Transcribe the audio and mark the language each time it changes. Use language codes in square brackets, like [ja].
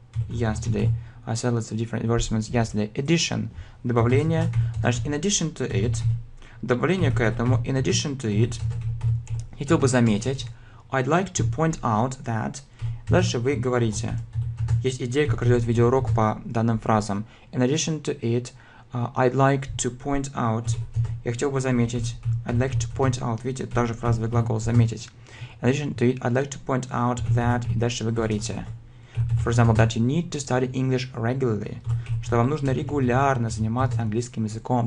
[en] Addition, [ru] добавление, значит, [en] in addition to it, [ru] хотел бы заметить, [en] I'd like to point out that, [ru] дальше вы говорите, есть идея, как сделать видеоурок по данным фразам. [en] In addition to it, I'd like to point out. [ru] Я хотел бы заметить. [en] I'd like to point out. [ru] Видите, та же фразовый глагол заметить. [en] In addition to it, I'd like to point out that. [ru] И дальше вы говорите. [en] For example, that you need to study English regularly. [ru] Что вам нужно регулярно заниматься английским языком.